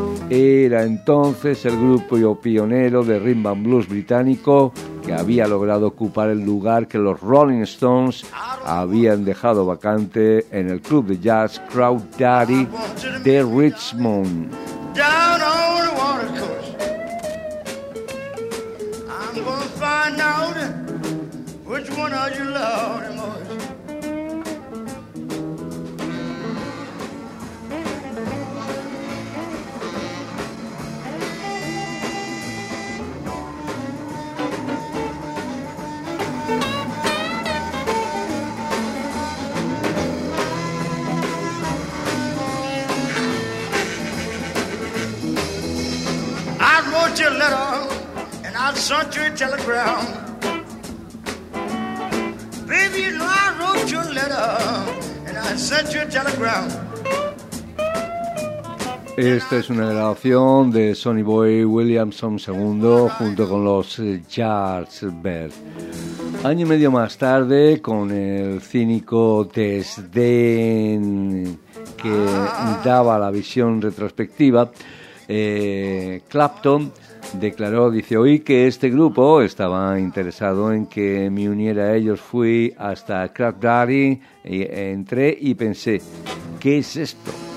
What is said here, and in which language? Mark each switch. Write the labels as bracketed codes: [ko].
[es] Era entonces el grupo pionero de rhythm and blues británico que había logrado ocupar el lugar que los Rolling Stones habían dejado vacante en el club de jazz Crowd Daddy de Richmond. [en] Down on the water course, I'm gonna find out which one of you love the most. Wrote you a letter and I sent you a telegram. Baby, you know I wrote you a letter and I sent you a telegram. [es] Esta es una grabación de Sonny Boy Williamson II junto con los Jazz Bear. Año y medio más tarde, con el cínico desdén que daba la visión retrospectiva, Clapton declaró, dice, oí que este grupo estaba interesado en que me uniera a ellos. Fui hasta Crowd Daddy, entré y pensé, ¿qué es esto?